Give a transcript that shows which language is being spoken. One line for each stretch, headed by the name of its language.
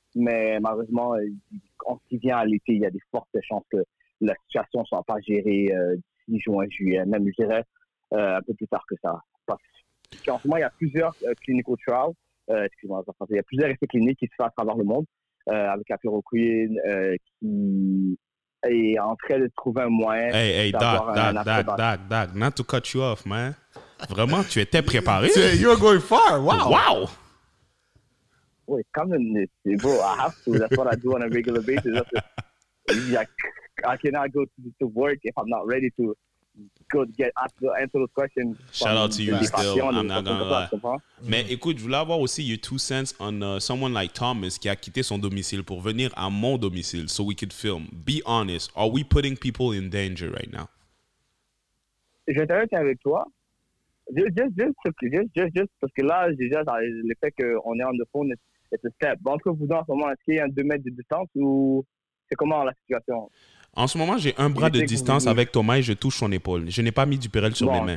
French: Mais malheureusement, quand il vient à l'été, il y a des fortes chances que la situation ne soit pas gérée d'ici juin, juillet, même je dirais un peu plus tard que ça. Parce qu'en ce moment, il y a plusieurs clinical trials, il y a plusieurs essais cliniques qui se font à travers le monde, avec la chloroquine, qui est en train de trouver un moyen.
English: Hey, Doc, not to cut you off, man.
French: Vraiment, tu étais préparé.
English: You're going far, wow! Wow!
French: Oui, comme une
English: bro, I have to. That's what I do on a regular basis. I cannot go to work if I'm not ready to go get answer those questions. Shout out to you still. I'm not gonna lie.
French: Mais écoute, je voulais avoir aussi
English: your two cents on someone like Thomas
French: qui a quitté son domicile pour venir à mon domicile
English: so we could film. Be honest, are we putting people in danger right now?
French: Je t'arrête avec toi. Just parce que là, déjà, le fait qu'on est en de fond, c'est un step. Entre vous deux, en ce moment, est-ce qu'il y a 2 mètres de distance ou c'est comment la situation? En ce moment, j'ai un bras de distance avec Thomas et je touche son épaule. Je n'ai pas mis du Perel sur mes mains.